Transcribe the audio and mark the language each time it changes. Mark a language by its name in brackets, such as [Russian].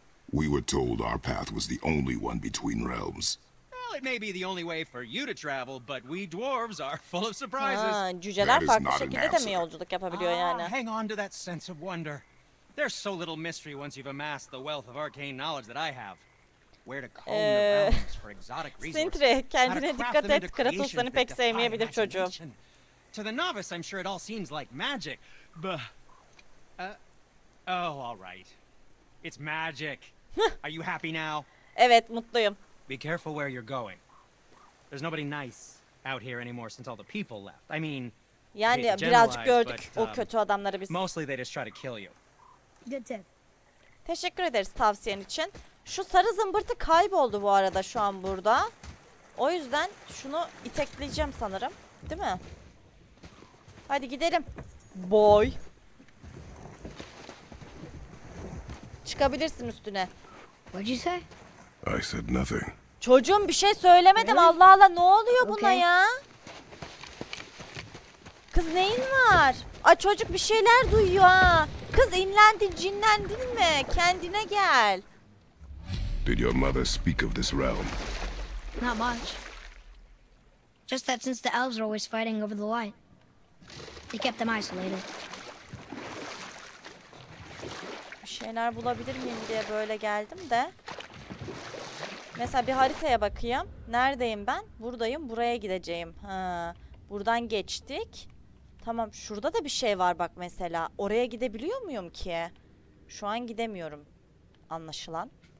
[English] We were told our path was the only one between realms. Well, it may be the only way for you to travel, but we dwarves are full of surprises. [Turkish] Ha, cüceler farklı şekilde de mi yolculuk yapabiliyor yani? [English] Hang on to that sense of wonder. There's so little mystery once you've amassed the wealth of arcane knowledge that I have. Where to comb the realms for exotic resources? [Turkish] Sintri, kendine dikkat et. Kratos'larını pek sevmeyebilir çocuğum. [English] To the novice, I'm sure it all seems like magic, but Oh, all right. It's magic. Are you happy now? [Turkish] Evet, mutluyum. [English] Be careful where you're going. There's nobody nice out here anymore since all the people left. I mean, [Turkish] yani birazcık gördük o kötü adamları biz. [English] Mostly they just try to kill you. Good tip. [Turkish] Teşekkür ederiz tavsiyen için. Şu sarı zımbırtı kayboldu bu arada şu an burada. O yüzden şunu itekleyeceğim sanırım. Değil mi? Hadi gidelim. [English] Boy. [Turkish] Çıkabilirsin üstüne. [English] What'd you say? I said nothing. [Turkish] Çocuğum bir şey söylemedim. [English] Really? [Turkish] Allah Allah, ne oluyor buna okay. ya? Kız neyin var? Ay çocuk bir şeyler duyuyor ha. Kız inlendin, cinlendin mi? Kendine gel. [English] Did your mother speak of this realm? Not much. Just that since the elves are always fighting over the light, they kept them isolated. [Turkish] Bir şeyler bulabilir miyim diye böyle geldim de. Mesela bir haritaya bakayım. Neredeyim ben? Buradayım, buraya gideceğim. Ha, buradan geçtik. Tamam, şurada da bir şey var bak mesela. Oraya gidebiliyor muyum ki? Şu an gidemiyorum. Anlaşılan.